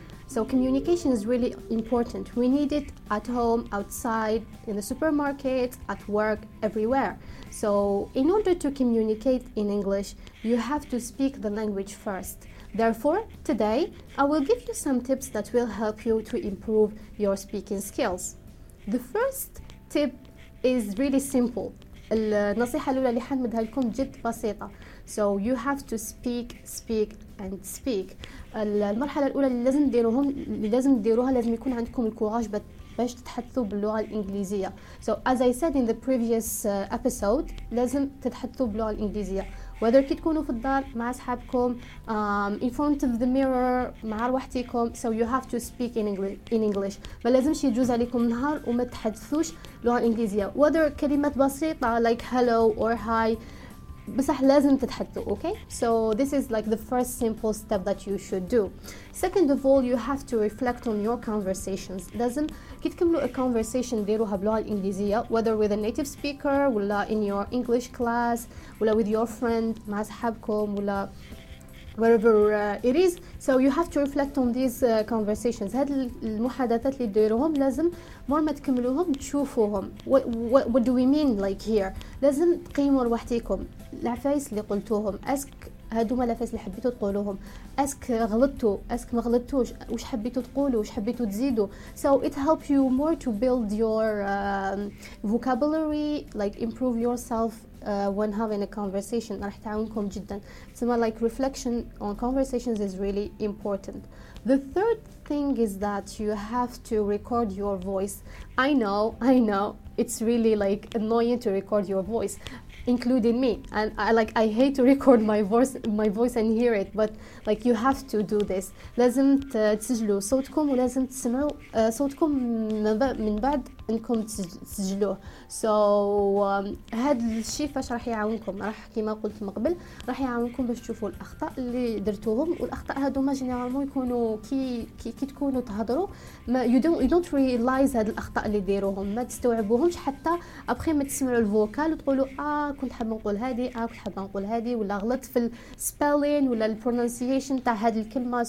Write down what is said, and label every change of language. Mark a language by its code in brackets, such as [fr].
[en] So communication is really important. We need it at home, outside, in the supermarket, at work, everywhere. So in order to communicate in English, you have to speak the language first. Therefore, today, I will give you some tips that will help you to improve your speaking skills. The first tip is really simple. [ar] النصيحة الأولى اللي حنمدها لكم جد بسيطة. [en] So you have to speak and speak. [ar] المرحلة الأولى اللي لازم تديروها يكون عندكم الكوراج باش تتحدثوا باللغة الإنجليزية. [en] So as I said in the previous episode, [ar] لازم تتحدثوا باللغة الإنجليزية. [en] Whether [ar] كي تكونوا في الدار مع أصحابكم, [en] in front of the mirror, [ar] مع روحتكم, [en] so you have to speak in English. [ar] ما لازمش يجوز عليكم نهار وما تحدثوش لغة إنجليزية. [en] Whether [ar] كلمات بسيطة [en] like hello or hi, [ar] بصح لازم تتحدثوا, [en] okay? So this is like the first simple step that you should do. Second of all, you have to reflect on your conversations. [ar] لازم كي تكملوا [en] a conversation [ar] ديروها بلغة الإنجليزية, [en] whether with a native speaker, ولا in your English class, ولا with your friend, [ar] مع أصحابكم, [en] ولا wherever it is. So you have to reflect on these conversations. [ar] هاد المحادثات اللي ديروهم لازم مور ما تكملوهم تشوفوهم. [en] What do we mean like here? [ar] لازم تقيموا لوحديكم العفايس اللي قلتوهم. Ask هادو ما العفايس اللي حبيتوا تقولوهم. Ask غلطتوا. Ask ما غلطتوش. وش حبيتوا تقولوا. وش حبيتوا تزيدوا. [en] So it helps you more to build your vocabulary, like improve yourself when having a conversation. [ar] رح تعاونكم جدا. [en] So more like reflection on conversations is really important. The third thing is that you have to record your voice. I know, it's really like annoying to record your voice, including me. And I hate to record my voice and hear it, but like you have to do this. [ar] لازم تسجلوا صوتكم ولازم تسمعوا صوتكم من بعد انكم تسجلوه. So هاد الشيء فاش راح يعاونكم, راح كيما قلت من قبل راح يعاونكم باش تشوفوا الاخطاء اللي درتوهم. والاخطاء هادو ما جينيرالمون يكونوا كي تكونوا تهضروا, ما [en] you don't realize [ar] هاد الاخطاء اللي ديروهم, ما تستوعبوهمش حتى ابخي ما تسمعوا الفوكال وتقولوا كنت حابه نقول هادي ولا غلطت في السبيلين ولا البرونسيشن تاع هاد الكلمه.